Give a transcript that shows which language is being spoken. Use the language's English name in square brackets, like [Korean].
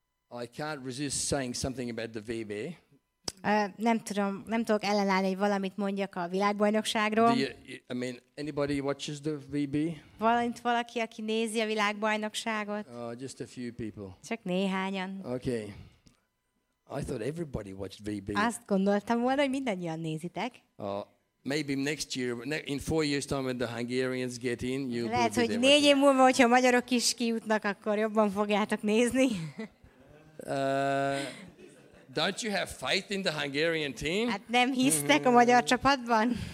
[English] I can't resist saying something about the VB. [Hungarian] Nem tudok ellenállni, hogy valamit mondjak a világbajnokságról. [English] Anybody watches the VB? [Hungarian] Valamit valaki, aki nézi a világbajnokságot? [English] Just a few people. [Hungarian] Csak néhányan. [English] Okay. I thought everybody watched VB. [Hungarian] Azt gondoltam volna, hogy mindannyian nézitek. [English] Maybe next year, in 4 years time when the Hungarians get in, you will be there. [Hungarian] Lehet, hogy négy év múlva, hogyha a magyarok is kijutnak, akkor jobban fogjátok nézni. [English] Don't you have faith in the Hungarian team? [Hungarian] Hát nem hisztek a magyar csapatban?